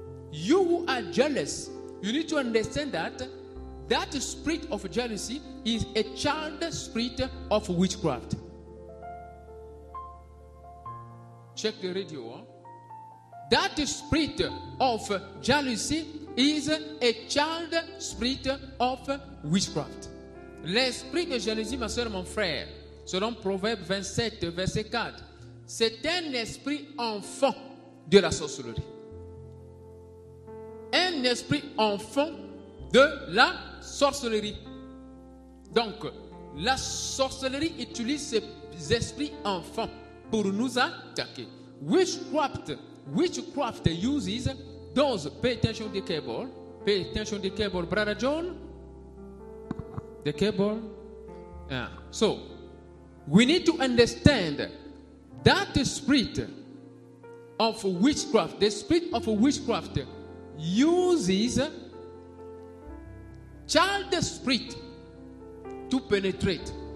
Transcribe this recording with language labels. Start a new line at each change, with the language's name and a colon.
English: You who are jealous, you need to understand that that spirit of jealousy is a child spirit of witchcraft. Check the radio. That spirit of jealousy is a child spirit of witchcraft.
French: L'esprit de jalousie, ma soeur, mon frère, selon Proverbe 27, verset 4, c'est un esprit enfant de la sorcellerie. Un esprit enfant de la sorcellerie. Donc, la sorcellerie utilise ces esprits enfants pour nous attaquer.
English: Witchcraft uses those. Pay attention to the cable, brother John. The cable. Yeah. So, we need to understand that the spirit of witchcraft, the spirit of witchcraft, uses child spirit to penetrate.